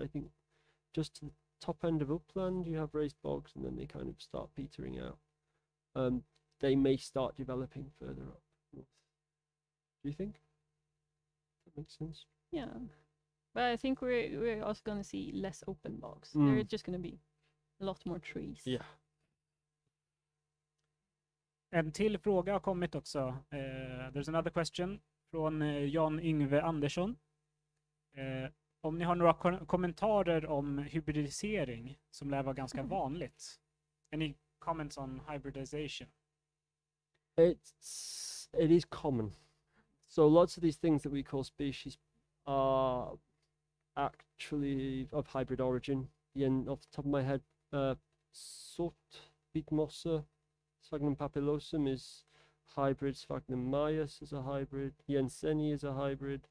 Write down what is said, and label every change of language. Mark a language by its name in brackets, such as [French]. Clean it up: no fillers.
[English] I think just to the top end of upland you have raised bogs, and then they kind of start petering out. They may start developing further up north. Do you think that makes sense? Yeah. But I think we're also going to see less open bogs. Mm. There's just going to be a lot more trees. Yeah. [Swedish] En till fråga har kommit också. [English] There's another question [Swedish] från Jan Yngve Andersson. Om ni har några kommentarer om hybridisering, som lär vara ganska vanligt. [English] Any comments on hybridization? It is common. So lots of these things that we call species are actually of hybrid origin. Again, off the top of my head, Sort Beetmossa Sphagnum papillosum is hybrid, Sphagnum maius is a hybrid, Jenseni is a hybrid,